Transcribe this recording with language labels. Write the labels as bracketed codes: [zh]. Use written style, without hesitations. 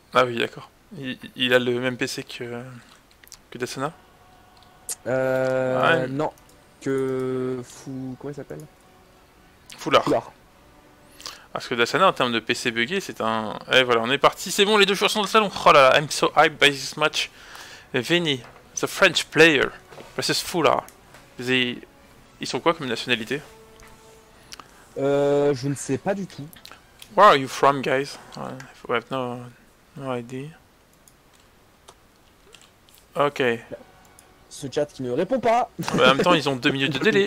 [fr] Ah oui, d'accord. Il a le même PC que Dasana. Ouais. Non, que Fou... Comment il s'appelle? Foulard. Parce que Dasana, en termes de PC bugué, c'est un... Eh voilà, on est parti, c'est bon, les deux joueurs sont dans le salon. Oh là là, [en] I'm so hyped by this match. Vinny, the French player, versus Foulard. [fr] Ils sont quoi comme nationalité? Je ne sais pas du tout. [en] Where are you from, guys? I have no idea. [fr] Ok. Ce chat qui ne répond pas. Mais en même temps, ils ont 2 minutes de délai.